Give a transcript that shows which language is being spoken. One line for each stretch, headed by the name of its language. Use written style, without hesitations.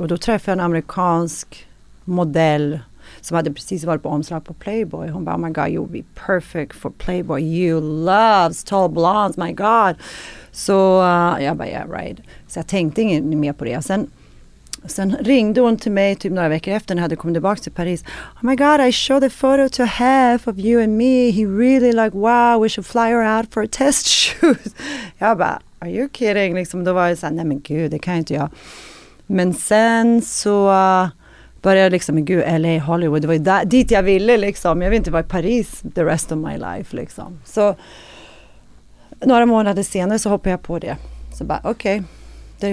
Swedish: Och då träffade jag en amerikansk modell som hade precis varit på omslag på Playboy.
English: Hon bara, oh my god, you'll be perfect for Playboy. You loves tall blondes, my god.
Swedish: Så jag bara,
English: yeah, right.
Swedish: Så jag tänkte ingen mer på det. Sen ringde hon till mig typ några veckor efter när jag hade kommit tillbaka till Paris.
English: Oh my god, I showed a photo to half of you and me. He really like, wow, we should fly her out for a test shoot.
Swedish: Jag bara,
English: are you kidding?
Swedish: Liksom, då var jag så här, nej men gud, det kan inte jag. Men sen så började liksom, gud, LA, Hollywood, det var ju dit jag ville liksom. Jag vill inte vara i Paris
English: the rest of my life
Swedish: liksom. Så några månader senare så hoppade jag på det. Så bara, okej. Okay.